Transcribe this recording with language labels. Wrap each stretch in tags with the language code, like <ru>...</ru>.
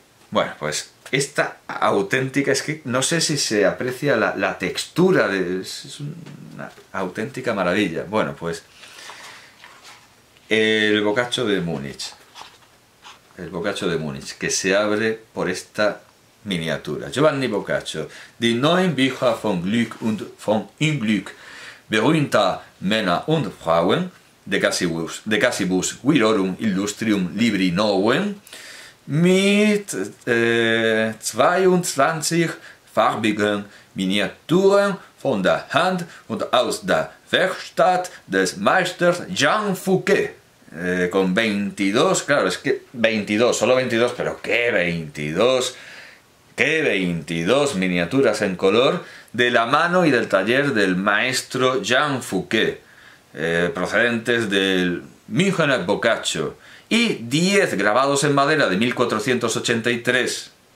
<es>Bueno, pues esta auténtica, es que no sé si se aprecia la textura, es una auténtica maravilla. Bueno, pues el Boccaccio de Múnich. El Boccaccio de Múnich, que se abre por esta miniatura. Giovanni Boccaccio.</es> <de>Die neun Bücher von Glück und von Unglück, berühmter Männer und Frauen, De Casibus Virorum Illustrium Libri Novem, mit 22 farbigen Miniaturen von der Hand und aus der Werkstatt des Meisters Jean Fouquet.</de> <es>Con 22, claro, es que 22, solo 22, pero ¿qué 22? que 22 miniaturas en color de la mano y del taller del maestro Jean Fouquet, procedentes del Münchener Boccaccio, y 10 grabados en madera de 1483.</es>